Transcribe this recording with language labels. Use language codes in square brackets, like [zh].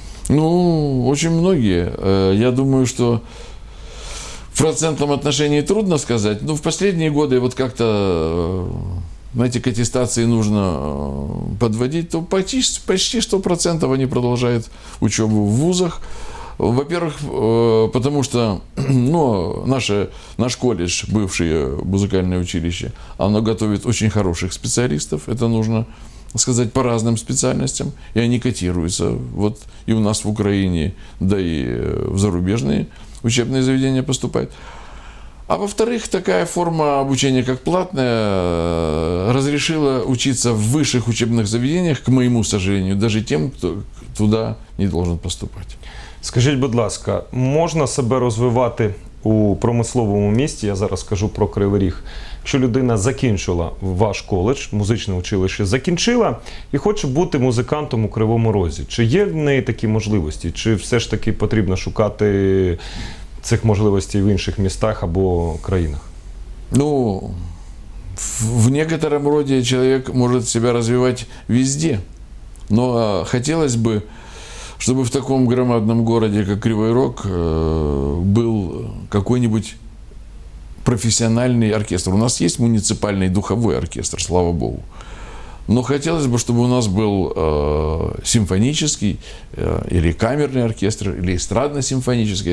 [uk] Ну, дуже багато. Я думаю, що в процентному відношенні трудно сказати. Ну, в останні роки, от як-то, знаєте, к атестації потрібно підводити, то почти 100% вони продовжують учебу в вузах. [ru] Во-первых, потому что ну, наш колледж, бывшее музыкальное училище, оно готовит очень хороших специалистов. Это нужно сказать по разным специальностям. И они котируются. Вот и у нас в Украине, да и в зарубежные учебные заведения поступают. А во-вторых, такая форма обучения, как платная, разрешила учиться в высших учебных заведениях, к моему сожалению, даже тем, кто туда не должен поступать. [uk] Скажіть, будь ласка, можна себе розвивати у промисловому місті, я зараз кажу про Кривий Ріг, якщо людина закінчила ваш коледж, музичне училище, закінчила і хоче бути музикантом у Кривому Розі? Чи є в неї такі можливості? Чи все ж таки потрібно шукати цих можливостей в інших містах або країнах? Ну, [ru] в некотором [uk] роді чоловік може себе розвивати везде. [ru] Но [uk] хотілося б, [ru] чтобы в таком громадном городе, как Кривой Рог, был какой-нибудь профессиональный оркестр. У нас есть муниципальный духовой оркестр, слава богу. Но хотелось бы, чтобы у нас был симфонический или камерный оркестр, или эстрадно-симфонический.